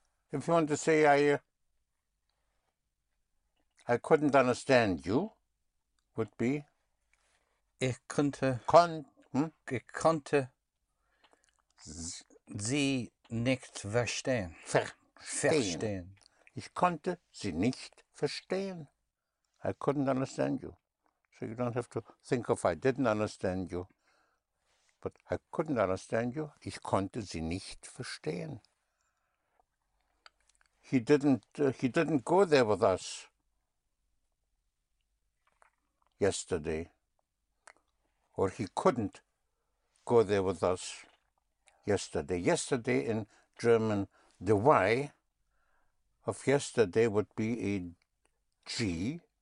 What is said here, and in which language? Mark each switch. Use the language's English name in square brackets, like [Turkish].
[English] If you want to say, I couldn't understand you, would be? [German] Ich konnte sie nicht verstehen. Verstehen. Ich konnte sie nicht verstehen. [English] I couldn't understand you. So you don't have to think of, I didn't understand you. But I couldn't understand you. [German] Ich konnte sie nicht verstehen. [English] He didn't go there with us yesterday. Or he couldn't go there with us yesterday. Yesterday in German, the Y of yesterday would be a G.